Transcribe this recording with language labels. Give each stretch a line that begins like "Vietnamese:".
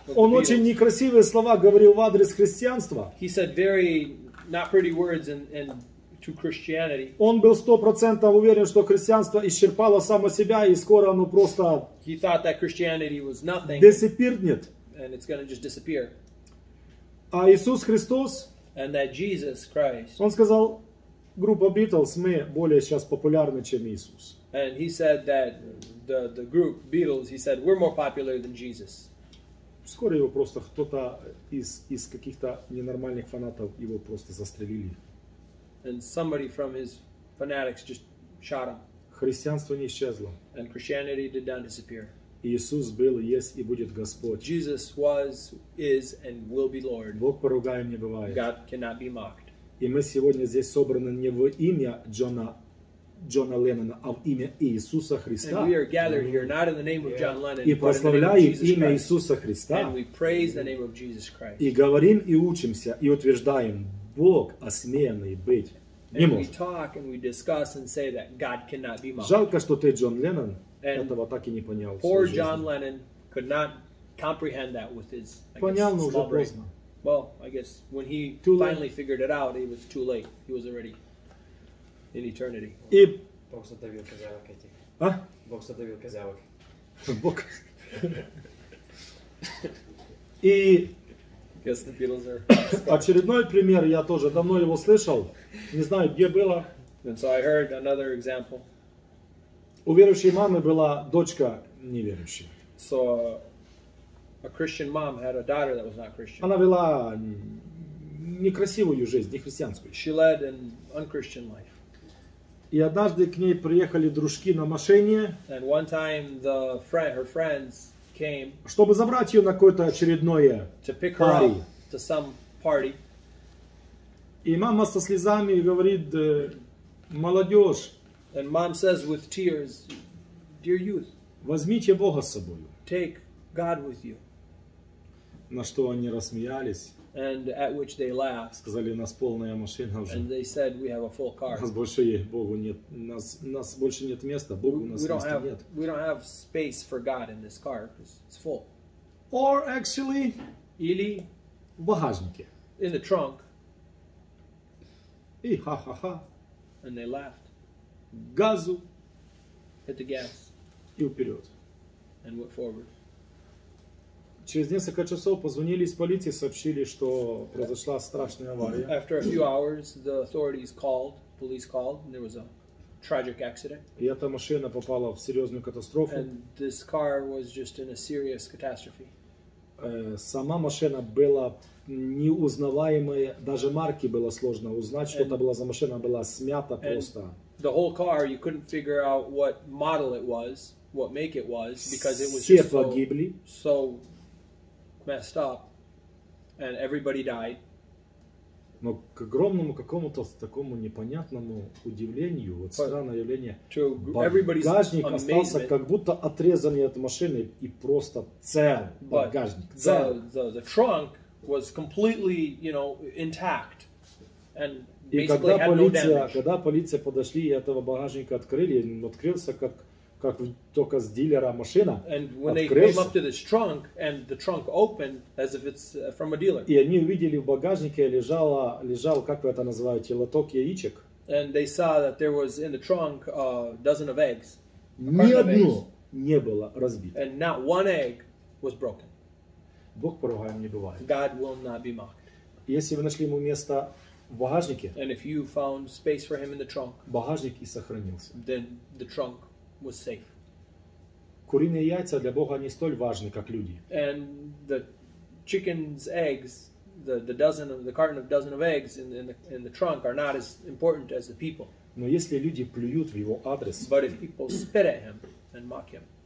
Russian: Он очень некрасивые слова говорил в адрес христианства.
English: He said very not pretty words and to Christianity.
Russian: Он был 100% уверен, что христианство исчерпало само себя и скоро оно просто
English: he thought that Christianity was nothing. Disappeared. And it's going to just disappear.
Russian: А Иисус Христос,
English: and that Jesus Christ.
Russian: Он сказал, группа Beatles, мы более сейчас популярны, чем Иисус.
English: And he said that the group Beatles, he said we're more popular than Jesus.
Russian: Скоро его просто кто-то из каких-то ненормальных фанатов его просто застрелили.
English: And somebody from his fanatics just shot him.
Russian: Христианство не исчезло.
English: And Christianity did not disappear.
Russian: Иисус был, есть и будет Господь.
English: Jesus was, is, and will be Lord.
Russian: Бог поругаем не бывает.
English: God cannot be mocked.
Russian: И мы сегодня здесь собраны не в имя Джона Леннона, а в имя Иисуса Христа.
English: And we are gathered here not in the name of John Lennon,
Russian: и прославляем имя Иисуса Христа.
English: And we praise the name of Jesus Christ.
Russian: И говорим, и учимся, и утверждаем. Бог осмеянный быть не может.
English: And we talk and we discuss and say that God cannot be mocked.
Russian: Жалко, что ты, Джон Леннон, этого так и не понял.
English: Poor John Lennon could not comprehend that with his
Russian: понял,
English: guess,
Russian: уже поздно.
English: Well, I guess when he too finally late. Figured it out, it was too late. He was already in eternity.
Russian: И Бог задавил козявок эти. А? Бог задавил козявок. Бог. И
English: yes, the Beatles are.
Russian: Очередной пример, я тоже давно его слышал, не знаю, где было.
English: And so I heard another example.
Russian: У верующей мамы была дочка неверующая.
English: So a Christian mom had a daughter that was not Christian.
Russian: Она вела некрасивую жизнь, не христианскую.
English: She led an unchristian life.
Russian: И однажды к ней приехали дружки на машине.
English: And one time the her friends. Came
Russian: чтобы забрать ее на какое-то очередное
English: to pick her party. Up to some party.
Russian: И мама со слезами говорит, молодежь,
English: and mom says with tears, dear youth,
Russian: возьмите Бога с собой.
English: Take God with you.
Russian: На что они рассмеялись.
English: And at which they laughed.
Russian: Сказали, у нас полная машина уже.
English: And they said, we have a full car.
Russian: У нас больше есть Богу нет. Нас больше нет места. Богу у нас
English: we don't
Russian: места
English: have,
Russian: нет.
English: We don't have space for God in this car. Because it's full. Or actually,
Russian: или в багажнике.
English: In the trunk.
Russian: И ха-ха-ха.
English: And they laughed.
Russian: Газу.
English: Hit the gas.
Russian: И вперед.
English: And went forward.
Russian: Через несколько часов позвонили из полиции, сообщили, что произошла страшная авария.
English: After a few hours, the authorities called, police called, and there was a tragic accident.
Russian: И эта машина попала в серьезную катастрофу.
English: And this car was just in a serious catastrophe.
Russian: Сама машина была неузнаваемая, даже марки было сложно узнать, что это была за машина, была смята просто.
English: The whole car, you couldn't figure out what model it was, what make it was, because it was
Russian: все
English: just
Russian: погибли.
English: So messed up, and everybody died.
Russian: Но к огромному какому-то такому непонятному удивлению, вот странное явление, багажник остался как будто отрезанный от машины и просто цел, багажник, цел.
English: The trunk was completely, you know, intact, and
Russian: и когда полиция, подошли и этого багажника открыли, он открылся как только с дилера машина.
English: And when they came up to this trunk and the trunk opened as if it's from a dealer.
Russian: И они увидели в багажнике лежал, как вы это называете, лоток яичек.
English: And they saw that there was in the trunk a dozen of eggs.
Russian: Ни одно не было разбито.
English: And not one egg was broken.
Russian: Бог поругаем не бывает.
English: God will not be mocked.
Russian: Если вы нашли ему место в багажнике,
English: and if you found space for him in the trunk,
Russian: багажник и сохранился.
English: Then the trunk was safe.
Russian: Куриные яйца для Бога не столь важны, как люди.
English: And the chicken's eggs, the dozen of the carton of dozen of eggs in the trunk are not as important as the people.
Russian: Но если люди плюют в его адрес,
English: but if people spit at him and mock him,